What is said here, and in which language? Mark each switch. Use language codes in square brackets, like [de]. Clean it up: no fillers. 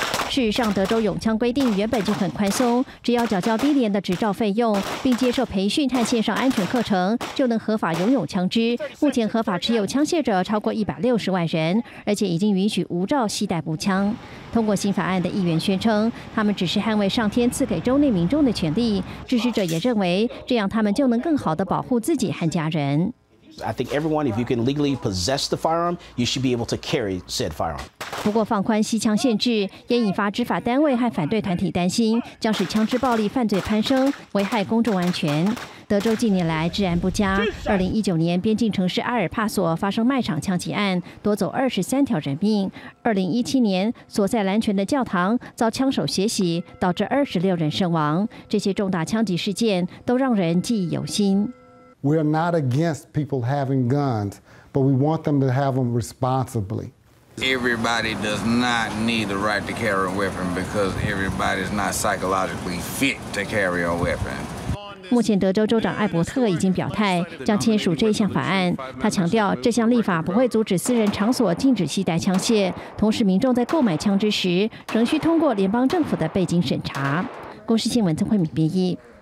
[zh] 事实上，德州拥枪规定原本就很宽松，只要缴交低廉的执照费用，并接受培训和线上安全课程，就能合法拥有枪支。目前合法持有枪械者超过160万人，而且已经允许无照携带步枪。通过新法案的议员宣称，他们只是捍卫上天赐给州内民众的权利。支持者也认为，这样他们就能更好地保护自己和家人。 [en] I think everyone, if you can legally possess the firearm, you should be able to carry said firearm. [zh] 不过，放宽携枪限制也引发执法单位和反对团体担心，将使枪支暴力犯罪攀升，危害公众安全。德州近年来治安不佳，2019年边境城市阿尔帕索发生卖场枪击案，夺走23条人命。 2017年，所在兰泉的教堂遭枪手血洗，导致26人身亡。这些重大枪击事件都让人记忆犹新。 [en] We are not against people having guns, but we want them to have them responsibly. Everybody does not need the right to carry a weapon because everybody is not psychologically fit to carry a weapon. [zh] 目前德州州长艾伯特已经表态将签署这项法案。他强调，这项立法不会阻止私人场所禁止携带枪械，同时民众在购买枪支时仍需通过联邦政府的背景审查。公视新闻曾慧敏编译。